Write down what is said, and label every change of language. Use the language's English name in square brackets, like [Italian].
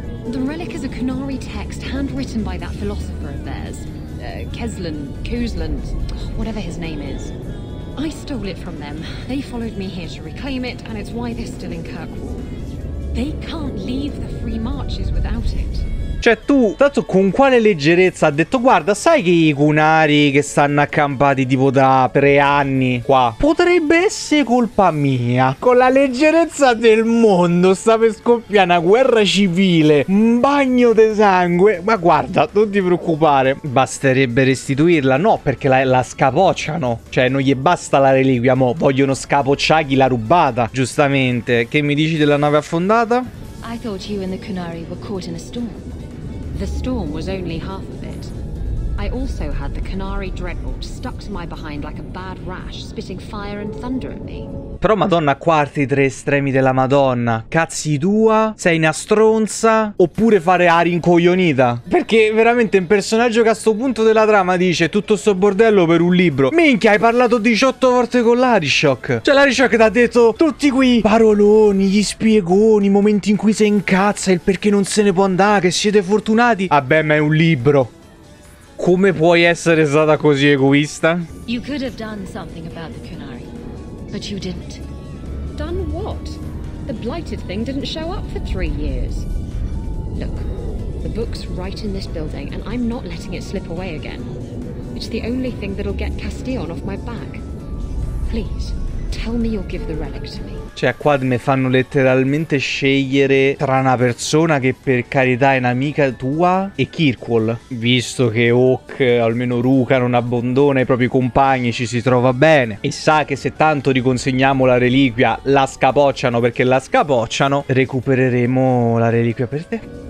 [English] The relic is a Canary text handwritten by that philosopher of theirs. Kuzlan, whatever his name is. I stole it from them. They followed me here to reclaim it, and it's why they're still in Kirkwall. They can't leave the free marches without it. [Italian] Cioè, tu, tanto con quale leggerezza ha detto, guarda, sai che i Cunari che stanno accampati tipo da 3 anni qua, potrebbe essere colpa mia. Con la leggerezza del mondo sta per scoppiare una guerra civile, un bagno di sangue, ma guarda, non ti preoccupare. Basterebbe restituirla, no, perché la scapocciano, cioè non gli basta la reliquia, mo vogliono scapocciare chi l'ha rubata, giustamente. Che mi dici della nave affondata? [English] I thought you and the Cunari were caught in a storm. The storm was only half of it. I also had the Canary Dreadnought stuck to my behind like a bad rash, spitting fire and thunder at me. [Italian] Però madonna, quarti tre estremi della madonna. Cazzi tua, sei una stronza, oppure fare aria incoglionita. Perché veramente un personaggio che a sto punto della trama dice tutto sto bordello per un libro. Minchia, hai parlato 18 volte con l'Arishock. Cioè l'Arishock ti ha detto tutti quei paroloni, gli spiegoni, i momenti in cui si incazza, il perché non se ne può andare, che siete fortunati. Vabbè, ma è un libro. Come puoi essere stata così egoista? [English] You could have done something about the canary, but you didn't. Done what? The blighted thing didn't show up for 3 years. Look, the book's right in this building, and I'm not letting it slip away again. It's the only thing that'll get Castillon off my back. Please, tell me you'll give the relic to me. [Italian] Cioè qua me fanno letteralmente scegliere tra una persona che per carità è un'amica tua e Kirkwall. Visto che Hawk, almeno Ruka, non abbandona i propri compagni, ci si trova bene. E sa che se tanto riconsegniamo la reliquia, la scapocciano perché la scapocciano, recupereremo la reliquia per te.